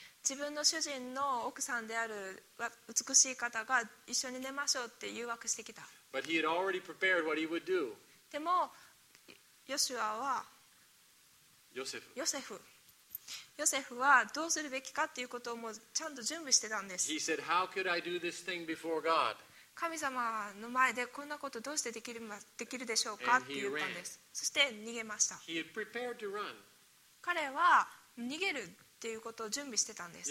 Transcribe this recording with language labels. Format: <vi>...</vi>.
<ja>自分の主人の奥さんである美しい方が一緒に寝ましょうって誘惑してきた。</ja> <en>But he had already prepared what he would do.</en> <ja>でもヨシュアはヨセフはどうするべきかっていうことをもうちゃんと準備してたんです。</ja> <en>He said, "How could I do this thing before God?"</en> <ja>神様の前でこんなことどうしてできるでしょうかって言ったんです。そして逃げました。</ja> <en>He had prepared to run.</en> <ja>彼は逃げるっていうことを準備してたんです。</ja>